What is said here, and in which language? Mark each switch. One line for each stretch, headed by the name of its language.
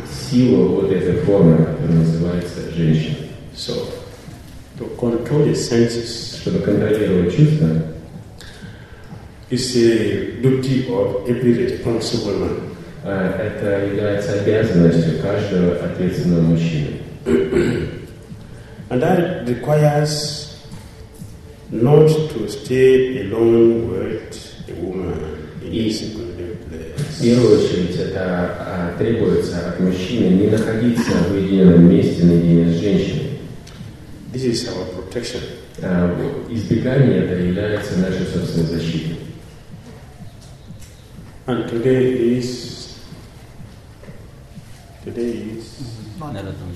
Russian: Сила вот этой формы, которая называется женщина.
English: So. To control the senses,
Russian: чтобы контролировать чувства,
English: is a duty of every responsible man.
Russian: Это является обязанностью каждого ответственного мужчины.
English: And that requires not to stay alone with a woman in a secret place.
Russian: В первую очередь, это требуется от мужчины не находиться в уединенном месте наедине с женщиной.
English: This is our protection.
Russian: Избегание это является нашей собственной защитой.
English: And today is Narottam